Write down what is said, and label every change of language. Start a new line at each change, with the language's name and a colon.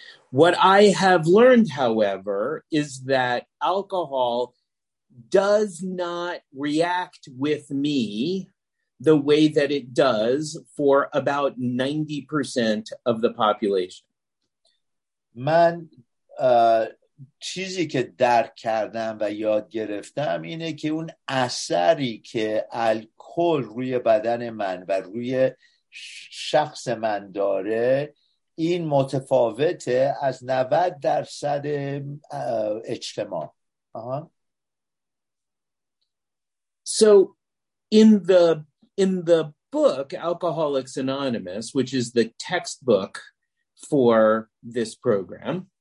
English: What I have learned, however, is that alcohol does not react with me the way that it does for about 90% of the population.
Persian: من چیزی که درک کردم و یاد گرفتم اینه که اون اثری که الکل روی بدن من و روی شخص من داره این متفاوته از 90% اجتماع.
English: So in the book Alcoholics Anonymous, which is the textbook for this program,